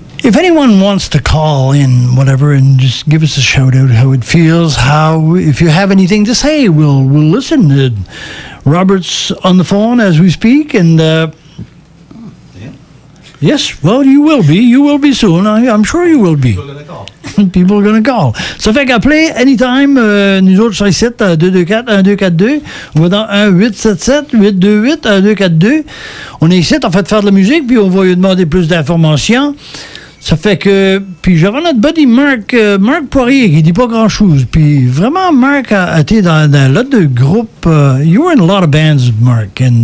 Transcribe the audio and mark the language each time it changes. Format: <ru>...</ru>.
<en>If anyone wants to call in, whatever, and just give us a shout out, how it feels, how, if you have anything to say, we'll listen. Robert's on the phone as we speak, and yes, well, you will be. You will be soon. I'm sure you will be. People are going to call.</en> <fr>Ça fait qu'appeler anytime, nous autres, sur le site 224-1242, ou dans 1-877-828-1242. On est ici, en fait, faire de la musique, puis on va lui demander plus d'informations. Ça fait que... Puis j'avais notre buddy Mark Poirier, qui dit pas grand-chose. Puis vraiment, Mark a été dans un lot de groupes.</fr> <en>You were in a lot of bands, Mark,</en>